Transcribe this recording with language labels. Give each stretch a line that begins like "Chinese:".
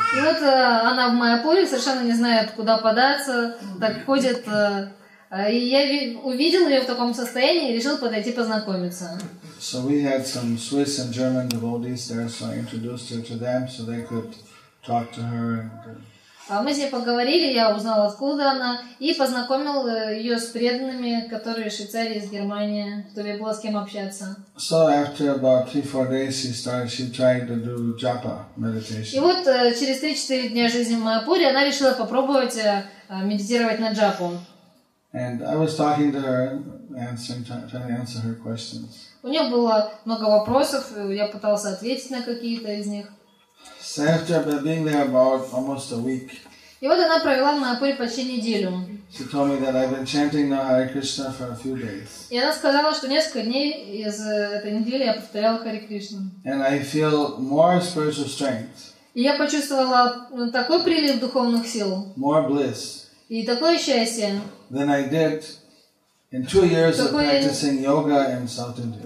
Russian: И вот она в Майапуре, совершенно не знает, куда податься, так ходит. И я увидел ее в таком состоянии и решил подойти познакомиться.
English: So we had some Swiss and German devotees there, so I introduced her to them, so they could talk to her.
Russian: Мы с ней поговорили, я узнал, откуда она, и познакомил ее с преданными, которые из Швейцарии, из Германии, то ли было с кем общаться.
English: So after about 3-4 days, she tried to do japa meditation.
Russian: И вот через 3-4 дня жизни в Майапуре она решила попробовать медитировать на джапу.
English: And I was talking to her, trying to answer her questions.
Russian: У нее было много вопросов, я пытался ответить на какие-то из них.
English: So after being there about almost a week,
Russian: и вот она провела в Майапуре почти неделю.
English: She told me that I've been chanting the Hare Krishna for a few days.
Russian: И она сказала, что несколько дней из этой недели я повторяла Харе Кришну.
English: And I feel more spiritual strength.
Russian: И я почувствовала такой прилив духовных сил.
English: More bliss.
Russian: И такое счастье.
English: Than I did in 2 years of practicing yoga in South India.